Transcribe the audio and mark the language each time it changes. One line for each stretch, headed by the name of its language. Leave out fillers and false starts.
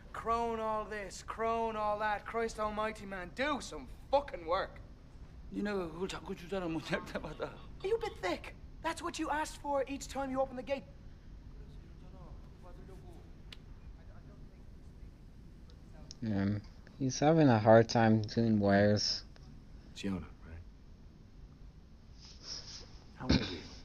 English: Crone all this, crone all that. Christ almighty, man. Do some fucking work.
Korean: 니네가 그걸 자꾸 주잖아, 못 낼 때마다.
English: Are you a bit thick? That's what you asked for each time you open the gate. He's having a hard time doing wires. Jonah, right? How old are you?